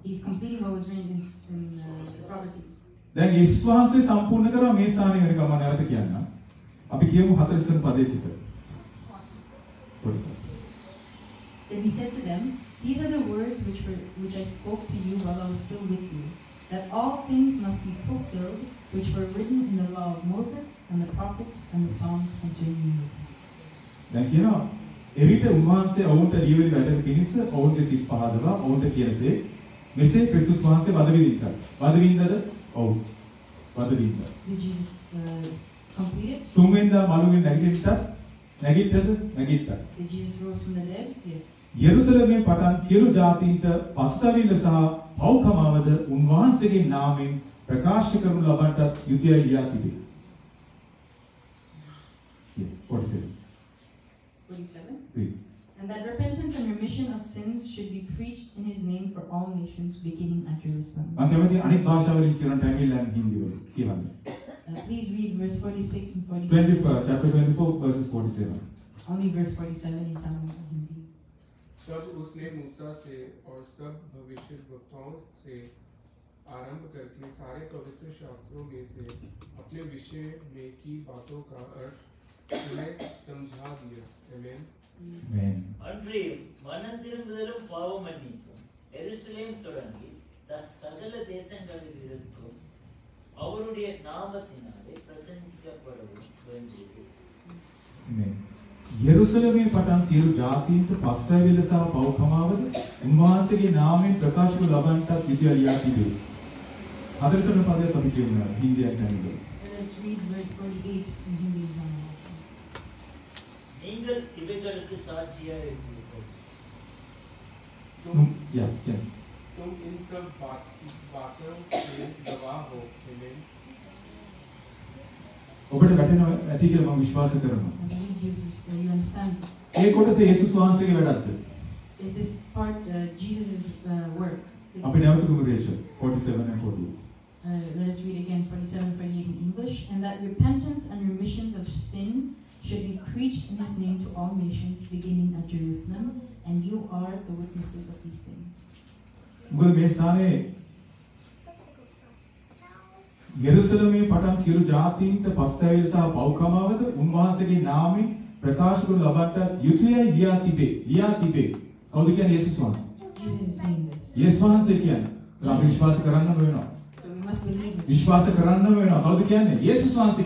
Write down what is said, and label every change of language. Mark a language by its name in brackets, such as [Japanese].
[English] He's completing what was written in the prophecies. [Sinhala] දැන් යේසුස් වහන්සේ සම්පූර්ණ කරා මේ ස්ථානයේ වෙන කම නැවත කියන්න. අපි කියමු 40 පදයේ සිට. [English] Then he said to them, "These are the words which I spoke to you while I was still with you, that all things must be fulfilled which were written in the law of Moses and the prophets and the Psalms concerning me." [Sinhala] දැන් කියනවා එවිට උන්වහන්සේ ඔවුන්ට ලියවිලි වැටෙන කිනිස ඔවුන්ගේ සිත් පහදවා ඔවුන්ට කියනසේ මෙසේ ක්‍රිස්තුස් වහන්සේ වද විඳිත්තා. වද විඳද? ඔව්. වද විඳා. [English] Did Jesus complete it? [Sinhala] තුන්වෙනිදා මළුවෙන් නැගිටිටත් නැගිට්ටද? නැගිට්ටා. [English] Did Jesus rose from the dead? Yes. [Sinhala] යෙරුසලමේ පටන් සියලු ජාතීන්ට පසුතැවිල්ල සහ පෞකමාවද උන්වහන්සේගේ නාමයෙන් ප්‍රකාශ කරනු ලබන්නට යුතුය ලියා තිබේ. [English] Yes, 47. 47? Please. And that repentance and remission of sins should be preached in his name for all nations beginning at Jerusalem. [Sinhala] මම කැමති අනිත් භාෂාවලින් කියන තැන්ගිල්ලන් හින්දි වල කියවන්න. [English] Please read verse 46 and 47. 24, chapter 24, verses 47. Only verse 47 in Tamil and Hindi. [Hindi] सब उसने मूसा से और सब भविष्य वक्ताओं से आरंभ करके सारे पवित्र शास्त्रों में से अपने विषय में की बातों का अर्थ उन्हें समझा दिया. [English] Amen. [Tamil] அன்றே மனந்திரும்புதலும் பாவம் மன்னிப்பும் எருசலேம் தொடங்கி சகல தேசங்களில் இருக்கும் அவருடைய நாமத்தினாலே பிரசங்கிக்கப்படவும் வேண்டியது. [Sinhala] යෙරුසලමේ පටන් සියලු ජාතීන්ට පස්තැවිල්ල සහ පෞකමාවද උන්වහන්සේගේ නාමයෙන් ප්‍රකාශු ලබන්නට විදියා ලියා තිබේ. හතරසන පදයක් අපි කියමු හින්දියෙන් දැනගන්න. [English] Let's read verse 48 in Hindi one more time. [Tamil] நீங்கள் இவைகளுக்கு சாட்சியாய் இருப்பீர்கள். [Hindi] तुम इन सब बातों के गवाह हो. Amen. [Sinhala] ඔබට වැටෙනවා ඇති කියලා මම විශ්වාස කරනවා. ඒ කොටස යේසුස් වහන්සේගේ වැඩක්ද? [English] Is this part Jesus's work? [Sinhala] අපි නැවත කමු දෙයචු 47 and 48. [English] Let us read again 47 and 48 in English, and that repentance and remissions of sin should be preached in his name to all nations beginning at Jerusalem, and you are the witnesses of these things. [Sinhala] ගොඩ මේ ස්ථානයේ යෙරුසලමේ පටන් සියලු ජාතීන්ට පස්තැවිල්ල සහ පෞකමාවද උන්වහන්සේගේ නාමයෙන් ප්‍රකාශ කරනු ලබන්නට යුතුයයි ලියා තිබේ. ලියා තිබේ. කවුද කියන්නේ? යේසුස් වහන්සේ. යේසුස් වහන්සේ කියන්නේ. අපි විශ්වාස කරන්න වෙනවා. විශ්වාස කරන්න වෙනවා. කවුද කියන්නේ? යේසුස් වහන්සේ